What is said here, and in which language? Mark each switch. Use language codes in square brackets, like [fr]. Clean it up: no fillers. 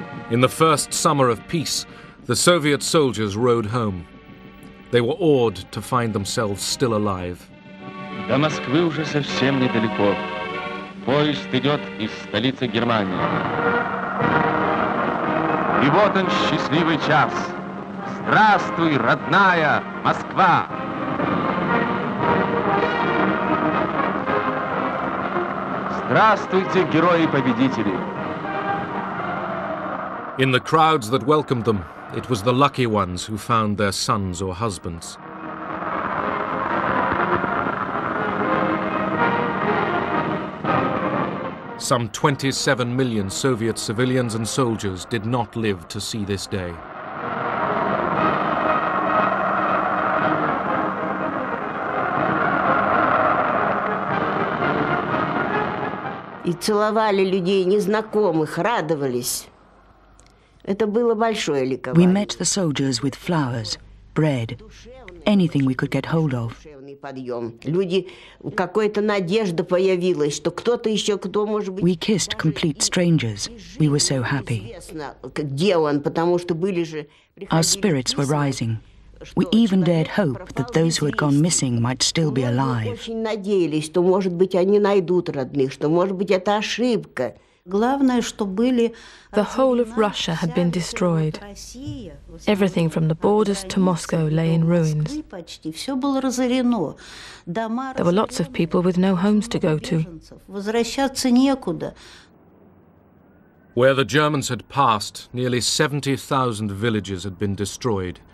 [en] In the first summer of peace, the Soviet soldiers rode home. They were awed to find themselves still alive. [ru] До Москвы уже совсем недалеко. Поезд идет из столицы Германии. И вот он, счастливый час. Здравствуй, родная Москва! Здравствуйте, герои-победители! [en] In the crowds that welcomed them, it was the lucky ones who found their sons or husbands. Some 27 million Soviet civilians and soldiers did not live to see this day. [ru] И целовали людей незнакомых, радовались. Это было большое ликование. [en] We met the soldiers with flowers, bread, anything we could get hold of. [ru] Люди, какая-то надежда появилась, что кто-то еще, кто может быть... [en] We kissed complete strangers. We were so happy. [ru] Где он, потому что были же... [en] Our spirits were rising. We even dared hope that those who had gone missing might still be alive. [ru] Мы очень надеялись, что, может быть, они найдут родных, что, может быть, это ошибка. [en] The whole of Russia had been destroyed. Everything from the borders to Moscow lay in ruins. There were lots of people with no homes to go to. Where the Germans had passed, nearly 70,000 villages had been destroyed.